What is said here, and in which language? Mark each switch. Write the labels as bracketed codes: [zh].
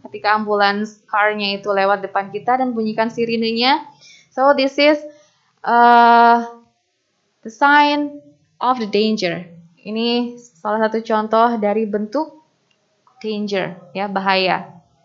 [id] Ketika ambulance car-nya itu lewat depan kita dan bunyikan sirenenya. [en] So this is the sign of the danger. [id] Ini salah satu contoh dari bentuk danger, ya, bahaya.